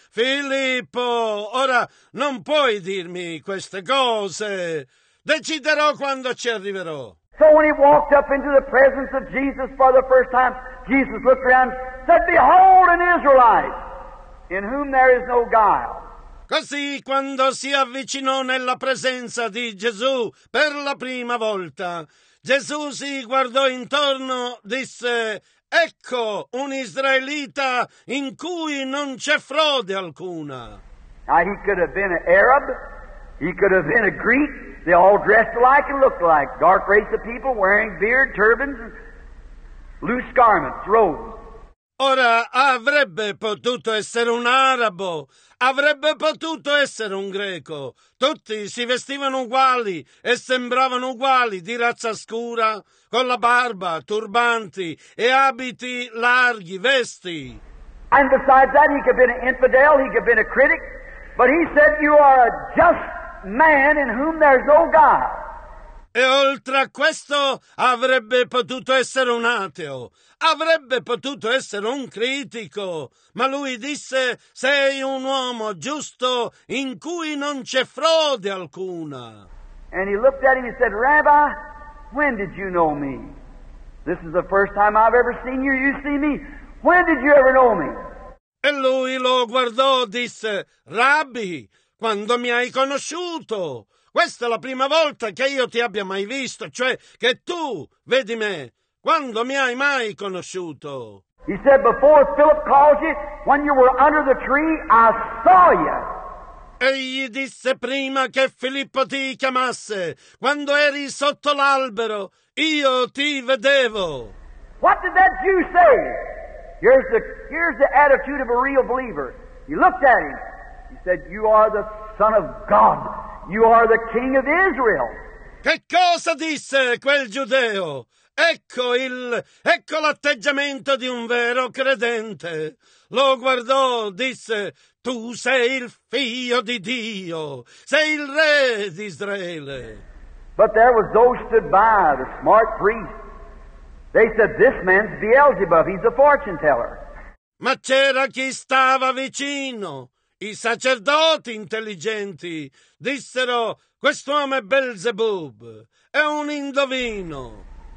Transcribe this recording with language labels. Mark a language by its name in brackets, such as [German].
[Italian] Ora, Filippo, non puoi dirmi queste cose. Deciderò quando ci arriverò. [English] So when he walked up into the presence of Jesus for the first time, Jesus looked around and said, "Behold an Israelite, in whom there is no guile." [Italian] Così, quando si avvicinò nella presenza di Gesù per la prima volta, Gesù si guardò intorno, disse, "Ecco un israelita in cui non c'è frode alcuna." [English] Now he could have been an Arab, he could have been a Greek, they all dressed alike and looked like dark race of people wearing beard, turbans, loose garments, robes. [Italian] Ora, avrebbe potuto essere un arabo, avrebbe potuto essere un greco. Tutti si vestivano uguali e sembravano uguali, di razza scura, con la barba, turbanti e abiti larghi, vesti. [English] And besides that, he could have been an infidel, he could have been a critic, but he said, "You are a just man in whom there's no God." [Italian] E oltre a questo, avrebbe potuto essere un ateo, avrebbe potuto essere un critico, ma lui disse, "Sei un uomo giusto in cui non c'è frode alcuna." [English] And he looked at him and said, "Rabbi, when did you know me? This is the first time I've ever seen you, you see me. When did you ever know me?" [Italian] E lui lo guardò e disse, "Rabbi, quando mi hai conosciuto? Questa è la prima volta che io ti abbia mai visto, cioè che tu vedi me. Quando mi hai mai conosciuto?" [English] He said, "Before Philip called you, when you were under the tree, I saw you." [Italian] Egli disse, "Prima che Filippo ti chiamasse, quando eri sotto l'albero, io ti vedevo." [English] What did that Jew say? Here's the attitude of a real believer. He looked at him. He said, "You are the Son of God. You are the King of Israel." [Italian] Che cosa disse quel giudeo? Ecco l'atteggiamento di un vero credente. Lo guardò, disse, "Tu sei il figlio di Dio, sei il re di Israele." [English] But there was those stood by, the smart priest. They said, "This man's Beelzebub, he's a fortune teller." [Italian] Ma c'era chi stava vicino. I sacerdoti intelligenti dissero, "Quest'uomo è Beelzebub, è un indovino."